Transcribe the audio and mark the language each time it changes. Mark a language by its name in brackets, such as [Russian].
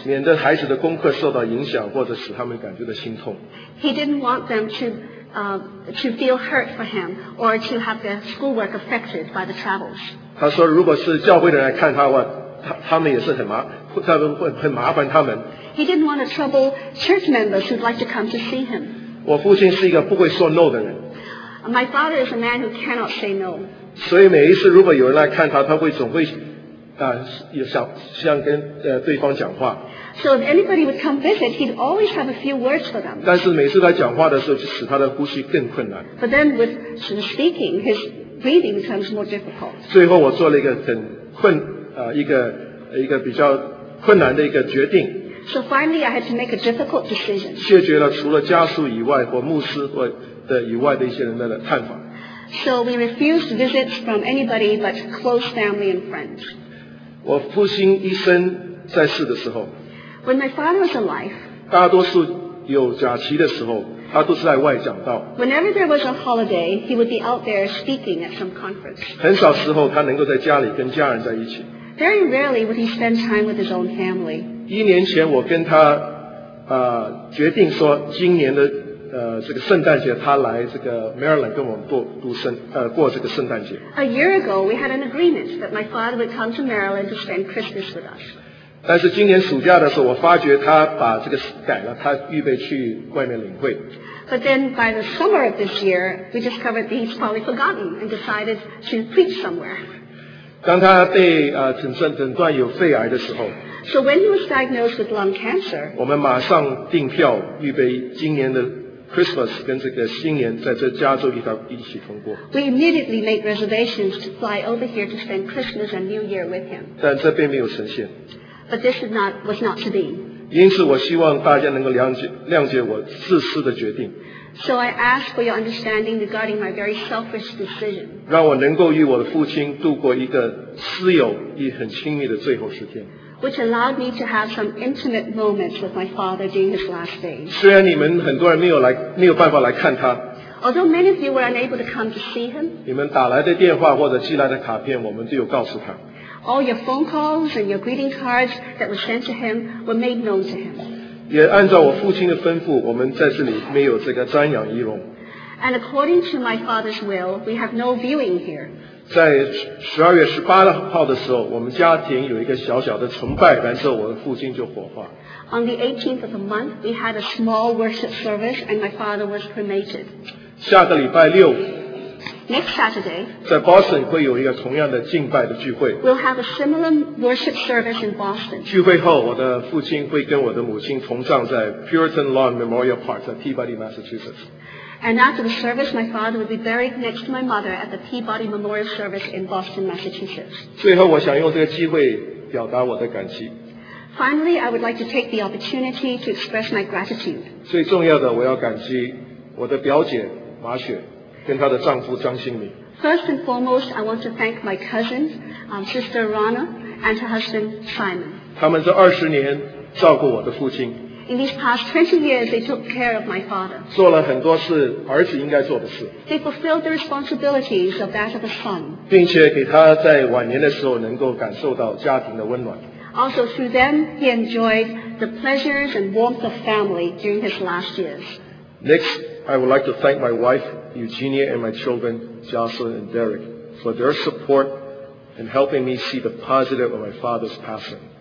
[Chinese] 免得孩子的功课受到影响，或者使他们感觉到心痛。 [English] He didn't want them to feel hurt for him or to have their schoolwork affected by the travels. [Chinese] 他说如果是教会的人来看他的话， 他们也是很麻他们会很麻烦他们。 [English] He didn't want to trouble church members who'd like to come to see him. [Chinese] 我父亲是一个不会说 no 的人。 [English] My father is a man who cannot say no. [Chinese] 所以每一次如果有人来看他，他会总会想跟对方讲话。 [English] So if anybody would come visit, he'd always have a few words for them. [Chinese] 但是每次他讲话的时候，就使他的呼吸更困难。 [English] But then with him speaking, his breathing becomes more difficult. [Chinese] 最后我做了一个很一个比较困难的一个决定。 [English] So finally, I had to make a difficult decision. [Chinese] 谢绝了除了家属以外或牧师或的以外的一些人的探访。 [English] So we refused visits from anybody but close family and friends. [Chinese] 我父亲一生在世的时候。 [English] When my father was alive. [Chinese] 大多数有假期的时候，他都是在外讲道。 [English] Whenever there was a holiday, he would be out there speaking at some conference. [Chinese] 很少时候他能够在家里跟家人在一起。 [English] Very rarely would he spend time with his own family. [Chinese] 一年前我跟他决定说今年的这个圣诞节他来这个 Maryland 跟我们 过这个圣诞节。 [English] A year ago, we had an agreement that my father would come to Maryland to spend Christmas with us. [Chinese] 但是今年暑假的时候我发觉他把这个改了，他预备去外面领会。 [English] But then by the summer of this year, we discovered that he's probably forgotten and decided to preach somewhere. [Chinese] 当他被诊断有肺癌的时候， [English] So when he was diagnosed with lung cancer, [Chinese] 我们马上订票预备今年的Christmas 跟这个新年在这加州一起通过。 [English] We immediately made reservations to fly over here to spend Christmas and New Year with him. [Chinese] 但这并没有呈现。 [English] But this was not to be. [Chinese] 因此我希望大家能够谅解我自私的决定。 [English] So I ask for your understanding regarding my very selfish decision. [Chinese] 让我能够与我的父亲度过一个私有亦很亲密的最后十天。 [English] Which allowed me to have some intimate moments with my father during his last days. [Chinese] 虽然你们很多人没有办法来看他。 [English] Although many of you were unable to come to see him. [Chinese] 你们打来的电话或者寄来的卡片，我们都有告诉他。 [English] All your phone calls and your greeting cards that were sent to him were made known to him. [Chinese] 也按照我父亲的吩咐，我们在这里没有这个瞻仰仪容。 [English] And according to my father's will, we have no viewing here. [Chinese] 在12月18号的时候，我们家庭有一个小小的崇拜，然后我的父亲就火化。 [English] On the 18th of the month, we had a small worship service, and my father was cremated. [Chinese] 下个礼拜六 [English] Next Saturday, [Chinese] 在 Boston 会有一个同样的敬拜的聚会。 [English] We'll have a similar worship service in Boston. [Chinese] 聚会后，我的父亲会跟我的母亲同葬在 Puritan Lawn Memorial Park 在 Peabody, Massachusetts. [English] And after the service, my father would be buried next to my mother at the Peabody Memorial Service in Boston, Massachusetts. [Chinese] 最后我想用这个机会表达我的感激。 [English] Finally, I would like to take the opportunity to express my gratitude. [Chinese] 最重要的我要感激我的表姐马雪跟她的丈夫张新明。 [English] First and foremost, I want to thank my cousin, Sister Rana, and her husband, Simon. [Chinese] 他们这二十年照顾我的父亲。 [English] In these past 20 years, they took care of my father. [Chinese] 做了很多事儿子应该做的事。 [English] They fulfilled the responsibilities of that of a son. [Chinese] 并且给他在晚年的时候能够感受到家庭的温暖。 [English] Also through them, he enjoyed the pleasures and warmth of family during his last years. Next, I would like to thank my wife, Eugenia, and my children, Jocelyn and Derek, for their support and helping me see the positive of my father's passing.